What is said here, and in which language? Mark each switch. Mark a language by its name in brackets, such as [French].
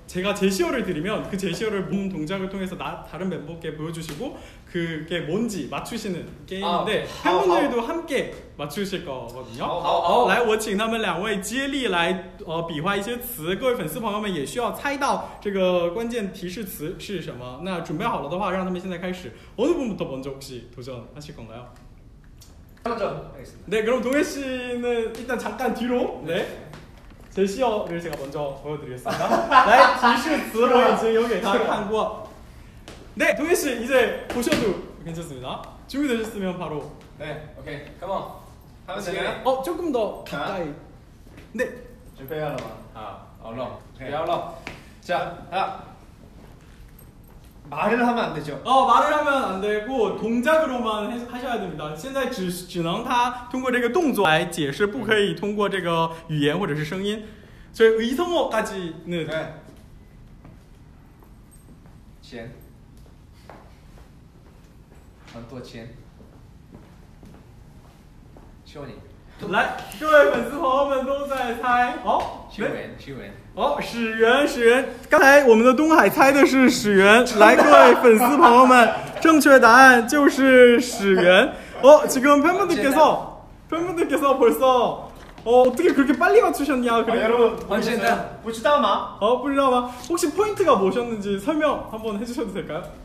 [Korean] 제가 제시어를 드리면 그 제시어를 몸 동작을 통해서 다른 멤버께 보여주시고 그게 뭔지 맞추시는 게임인데 팬분들도 함께 맞추실 거거든요. [Chinese] 来，我请他们两位接力来比划一些词。各位粉丝朋友们也需要猜到这个关键提示词是什么。那准备好了的话，让他们现在开始。 [Korean] 어느 분부터 먼저 혹시 도전하실 건가요? 먼저 하겠습니다. 네, 그럼 동해 씨는 일단 잠깐 뒤로. 네. 제시어를 제가 먼저 보여드리겠습니다. 나의 디슈스로 지금 여기 다 한국어. 네, 동해 씨 이제 보셔도 괜찮습니다. 준비되셨으면 바로. 네, 오케이, 컴온. 하면 되나요? 어, 조금 더 가까이. 네. 준비하러 와. 아, 얼른. 준비하러. 자, 하나. 말을 하면 안 되죠? 어, 말을 하면 안 되고 동작으로만 하셔야 됩니다. [Chinese] 지금 只能他通过这个动作来解释，不可以通过这个语言或者是声音。 [Korean] 저희 의성어까지는 네. [Chinese] 钱. 很多钱. 求你. 来，各位粉丝朋友们都在猜哦，始源，刚才我们的东海猜的是始源，来，各位粉丝朋友们，正确答案就是始源。哦， [Korean] 지금 팬분들께서 벌써 어떻게 그렇게 빨리 맞추셨냐? 아, 여러분, [Chinese] 不知道吗？不知道吗？ [Korean] 혹시 포인트가 뭐셨는지 설명 한번 해주셔도 될까요?